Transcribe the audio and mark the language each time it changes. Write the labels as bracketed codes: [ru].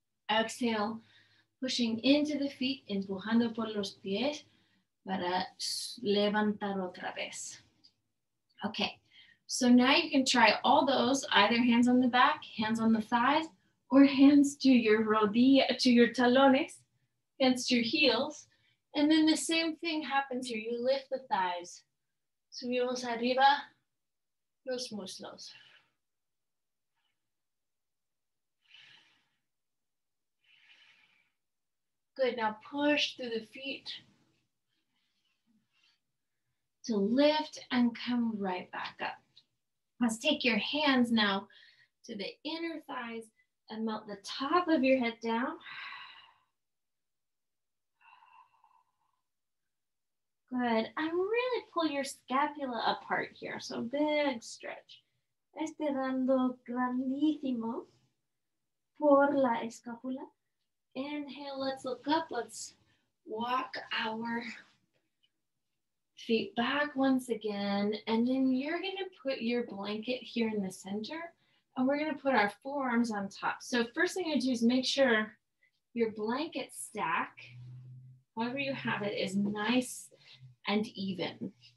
[en] Exhale, pushing into the feet, [es] empujando por los pies, para levantar otra vez. [en] Okay, so now you can try all those, either hands on the back, hands on the thighs, or hands to your rodilla, to your talones, hands to your heels. And then the same thing happens here. You lift the thighs. [es] Subimos arriba los muslos. [en] Good, now push through the feet to lift and come right back up. Let's take your hands now to the inner thighs and melt the top of your head down. Good, and really pull your scapula apart here. So big stretch. [es] Estirando grandísimo por la escápula. [en] Inhale, let's look up. Let's walk our feet back once again. And then you're gonna put your blanket here in the center, and we're gonna put our forearms on top. So first thing I do is make sure your blanket stack, however you have it, is nice and even.